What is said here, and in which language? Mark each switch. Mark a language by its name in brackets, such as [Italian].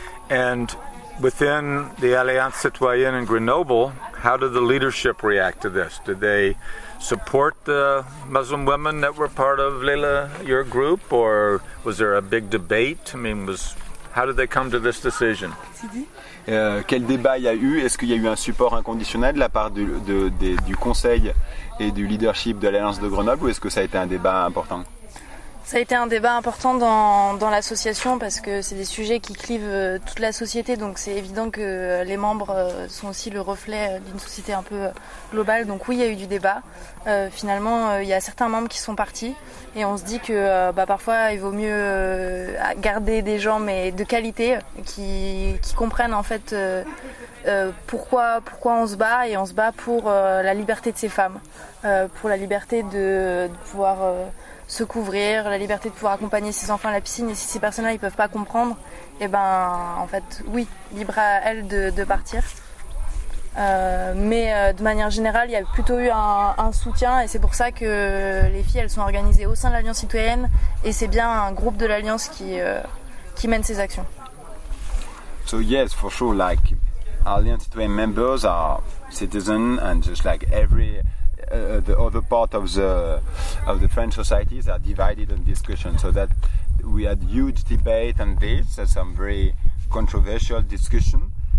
[English] And within the Alliance Citoyenne in Grenoble, how did the leadership react to this? Did they support the Muslim women that were part of Leila, your group, or was there a big debate? I mean, how did they come to this decision? [French] Quel débat y a eu? Est-ce qu'il y a eu un support inconditionnel de la part du conseil et du leadership de l'Alliance de Grenoble, ou est-ce que ça a été un débat important? Ça a été un débat important dans l'association, parce que c'est des sujets qui clivent toute la société, donc c'est évident que les membres sont aussi le reflet d'une société un peu globale. Donc oui, il y a eu du débat. Finalement, il y a certains membres qui sont partis, et on se dit que parfois il vaut mieux garder des gens mais de qualité qui comprennent en fait pourquoi on se bat, et on se bat pour la liberté de ces femmes, pour la liberté de pouvoir se couvrir, la liberté de pouvoir accompagner ses enfants à la piscine. Et si ces personnes-là, ils peuvent pas comprendre, libre à elles de partir. Mais de manière générale, il y a plutôt eu un soutien, et c'est pour ça que les filles, elles sont organisées au sein de l'Alliance citoyenne, et c'est bien un groupe de l'Alliance qui mène ces actions. [English] So yes, for sure, like Alliance citoyenne members are citizens, and just like every the other part of the French societies are divided on discussion. So that we had huge debate on this, some very controversial discussion.